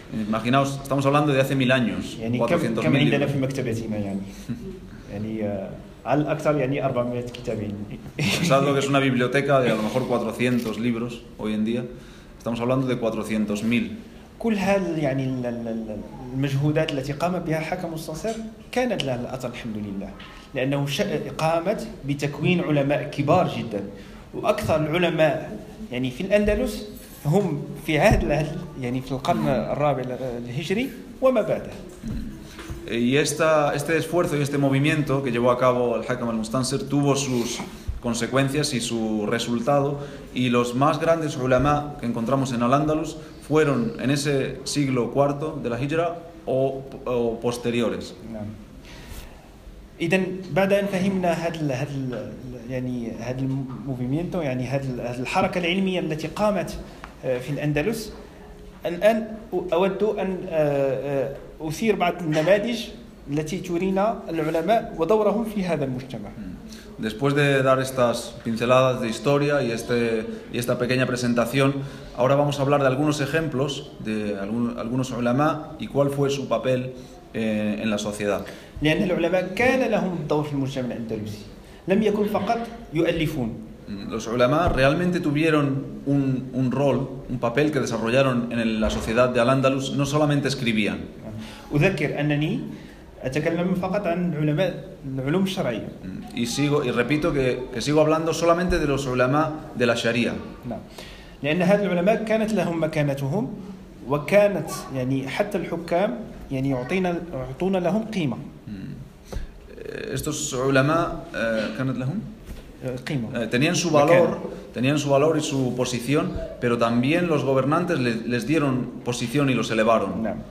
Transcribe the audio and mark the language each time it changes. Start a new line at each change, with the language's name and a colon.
Spanish: Imaginaos, estamos hablando de hace 1000 años.
Arabic: يعني 400,000 كم عندنا في مكتبتنا يعني على الأكثر يعني 400 كتابين.
Spanish: Pensad lo que es una biblioteca de a lo mejor 400 libros hoy en día. Estamos hablando de 400,000.
Arabic: كل هذه يعني المجهودات التي قام بها حكم المستنصر كانت لها الأثر الحمد لله، لأنه قامت بتكوين علماء كبار جدا، وأكثر العلماء يعني في الأندلس هم في عهد الأهل يعني في القرن الرابع الهجري وما بعده.
Spanish: Y este esfuerzo y este movimiento que llevó a cabo el Hakam al-Mustansir tuvo sus consecuencias y su resultado, y los más grandes ulama que encontramos en Al-Andalus fueron en ese siglo cuarto de la Hijra o posteriores.
Arabic: إذن بعد أن فهمنا هذا هذا يعني هذا الموفيمينتو يعني هذا الحركة العلمية التي قامت في الأندلس الآن أود أن أثير بعض النماذج التي تورينا العلماء ودورهم في هذا المجتمع.
Spanish: Después de dar estas pinceladas de historia y esta pequeña presentación, ahora vamos a hablar de algunos ejemplos de algunos ulama y cuál fue su papel en la sociedad.
Arabic: لأن العلماء كان لهم دور في المجتمع الأندلسي لم يكن فقط يؤلفون.
Spanish: Los ulama realmente tuvieron un rol, un papel que desarrollaron en la sociedad de Al-Andalus, no solamente escribían.
Arabic: أذكر أنني أتكلم فقط عن علماء العلوم الشرعية.
Spanish: Y repito que sigo hablando solamente de los ulama de la Sharia.
Arabic: لأن هذه العلماء كانت لهم مكانتهم وكانت يعني حتى الحكام يعني يعطون لهم قيمة.
Spanish: Estos ulama
Arabic: كانت لهم قيمة.
Spanish: Tenían su valor, tenían su valor y su posición, pero también los gobernantes les dieron posición y los elevaron.